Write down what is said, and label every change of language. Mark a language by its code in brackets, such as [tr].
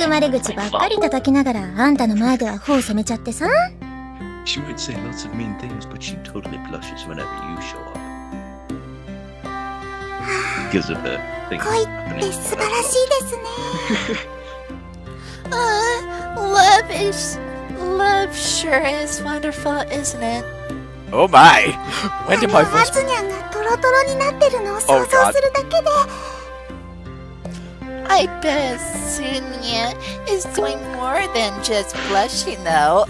[ja] 憎まれ口 ばっかり叩きながら、あんたの前では頬を染めちゃってさ。 [en] She might say lots of mean things, but she totally blushes whenever you show up. Because of her thing. [ja] 恋って素晴らしいですね。 [en] love is... Love sure is wonderful, isn't it? Oh my! When did my voice... [ja] あれは松にゃんがトロトロになってるのを想像するだけで。 [en] I bet Sunya is doing more than just blushing, though.